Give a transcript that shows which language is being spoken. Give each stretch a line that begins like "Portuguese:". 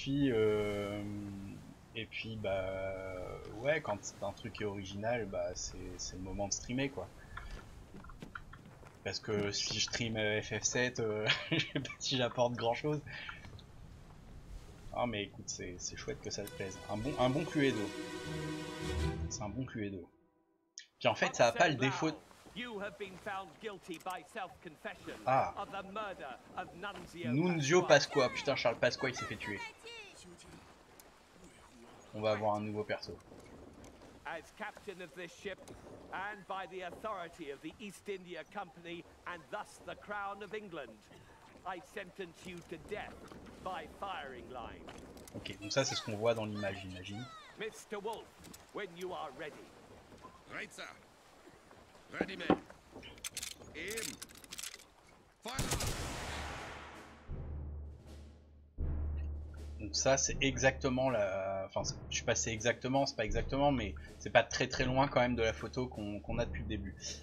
French: Et puis bah ouais, quand un truc est original, bah c'est le moment de streamer quoi. Parce que si je stream FF7, je sais pas si j'apporte grand chose. Ah mais écoute, c'est chouette que ça te plaise. Un bon Cluedo. C'est un bon Cluedo. Puis en fait, ça a pas le défaut.
English: You have been found guilty by self-confession of the murder of Nunzio Pasqua.
French: Putain, Charles Pasqua, il s'est fait tuer. On va avoir un nouveau perso.
English: As captain of this ship and by the authority of the East India Company and thus the crown of England, I sentence you to death by firing line.
French: OK, donc ça c'est ce qu'on voit dans l'image, j'imagine.
English: Mr. Wolf, when you are ready. Right, sir. Ready, man. Aim. Fire.
French: Donc ça c'est exactement la... Enfin je sais pas si c'est exactement, c'est pas exactement, mais c'est pas très très loin quand même de la photo qu'on a depuis le début.